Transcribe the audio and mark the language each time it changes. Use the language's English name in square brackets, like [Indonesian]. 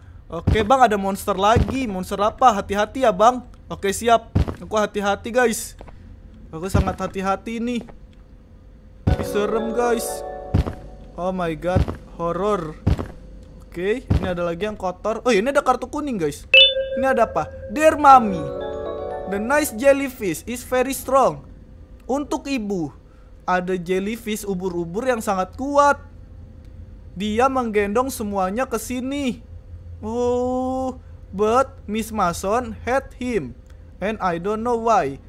[Indonesian] Oke, bang, ada monster lagi. Monster apa? Hati-hati ya, bang. Oke, siap. Aku hati-hati, guys. Aku sangat hati-hati ini. Ini serem, guys. [English] Oh my god, horror. [Indonesian] Oke, ini ada lagi yang kotor. Oh, ini ada kartu kuning, guys. Ini ada apa? [English] Dear Mommy, the nice jellyfish is very strong. [Indonesian] Untuk ibu, ada jellyfish ubur-ubur yang sangat kuat. Dia menggendong semuanya ke sini. [English] Oh, but Miss Mason hate him and I don't know why.